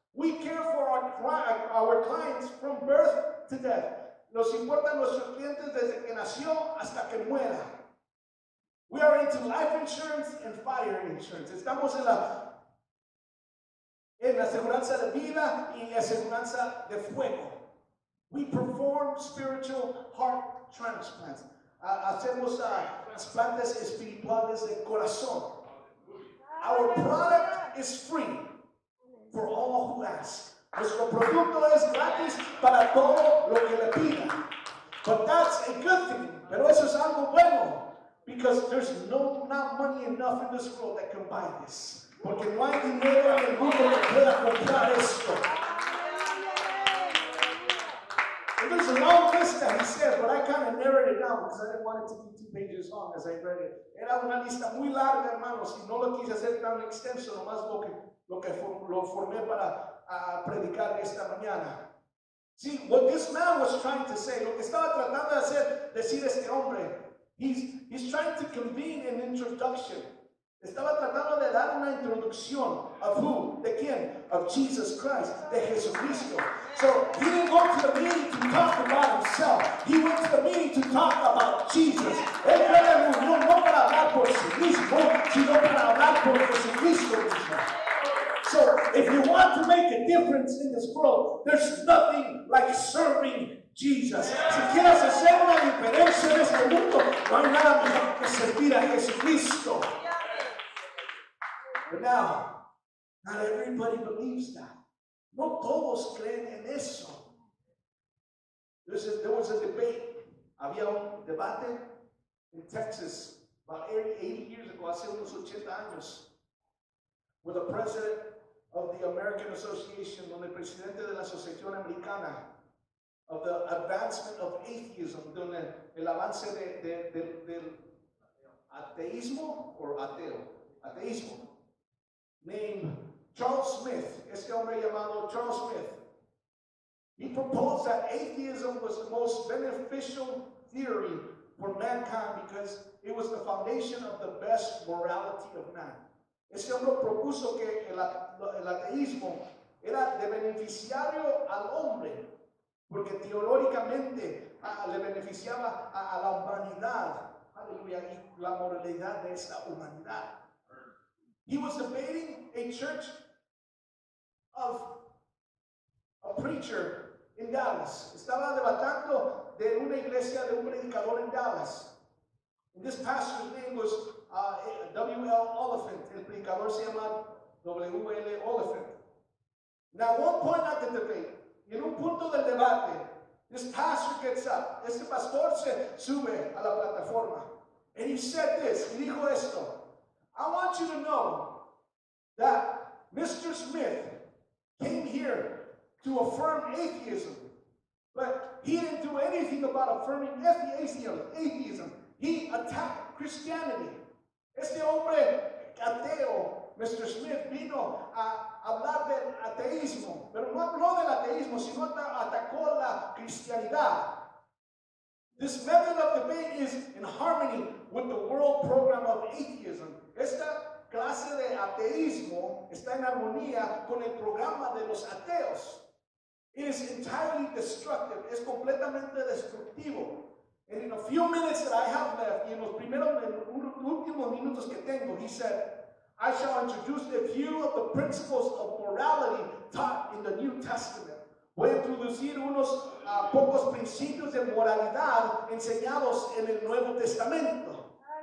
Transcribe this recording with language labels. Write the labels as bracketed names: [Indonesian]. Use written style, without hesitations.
[English] We care for our clients from birth to death. [Spanish] Nos importan nuestros clientes desde que nació hasta que muera. [English] We are into life insurance and fire insurance. [Spanish] Estamos en la aseguranza de vida y aseguranza de fuego. [English] We perform spiritual heart transplants. [Spanish] hacemos trasplantes espirituales de corazón. [English] Our product is free for all who ask. [Spanish] Nuestro producto es gratis para todo lo que le pida. [English] But that's a good thing. [Spanish] Pero eso es algo bueno. [English] Because there's not money enough in this world that can buy this. [Spanish] Porque no hay dinero en el mundo que pueda comprar esto. [English] And there's a long lista, he said, but I kind of narrowed it down because I didn't want it to be 2 pages long as I read it. [Spanish] Era una lista muy larga, hermanos, y no lo quise hacer tan extenso, nomás lo formé para predicar esta mañana. [English] See, what this man was trying to say, [Spanish] lo que estaba tratando de hacer, decir este hombre, [English] he's trying to convene an introduction. [Spanish] Estaba tratando de dar una introducción. [English] Of who? [Spanish] De quién? [English] Of Jesus Christ. [Spanish] De Jesucristo. [English] So he didn't go to the meeting to talk about himself. He went to the meeting to talk about Jesus. [Spanish] Él fue a reunión no para hablar por sí mismo, sino para hablar por Jesucristo mismo. [English] So if you want to make a difference in this world, there's nothing like serving Jesus. [Spanish] Si quieres hacer una diferencia en este mundo, no hay nada mejor que servir a Jesucristo. [English] But now, not everybody believes that. [Spanish] No todos creen en eso. [English] There was a debate. [Spanish] Había un debate [English] in Texas about 80 years ago, [Spanish] hace unos 80 años, [English] with the president of the American Association, [Spanish] donde el presidente de la Asociación Americana [English] of the Advancement of Atheism, [Spanish] donde el avance del ateísmo [English] or [Spanish] ateo, ateísmo. Named Charles Smith, este hombre llamado Charles Smith. [English] He proposed that atheism was the most beneficial theory for mankind because it was the foundation of the best morality of man. [Spanish] Este hombre propuso que el ateísmo era de beneficiario al hombre porque teológicamente le beneficiaba a la humanidad. Aleluya, y la moralidad de esta humanidad. [English] He was debating a church of a preacher in Dallas. [Spanish] Estaba debatando de una iglesia de un predicador en Dallas. [English] And this pastor's name was W.L. Oliphant. [Spanish] El predicador se llama W.L. Oliphant. [English] Now, one point at the debate, [Spanish] en un punto del debate, [English] this pastor gets up. [Spanish] Este pastor se sube a la plataforma. [English] And he said this, [Spanish] y dijo esto. [English] I want you to know that Mr. Smith came here to affirm atheism, but he didn't do anything about affirming atheism. He attacked Christianity. [Spanish] Este hombre ateo, [English] Mr. [Spanish] Smith, vino a hablar del ateísmo, pero no habló del ateísmo, sino atacó la cristianidad. [English] This method of debate is in harmony with the world program of atheism. [Spanish] Esta clase de ateísmo está en armonía con el programa de los ateos. [English] It is entirely destructive. [Spanish] Es completamente destructivo. [English] And in a few minutes that I have left, [Spanish] y en los últimos minutos que tengo, [English] he said, I shall introduce a few of the principles of morality taught in the New Testament. [Spanish] Voy a introducir unos pocos principios de moralidad enseñados en el Nuevo Testamento.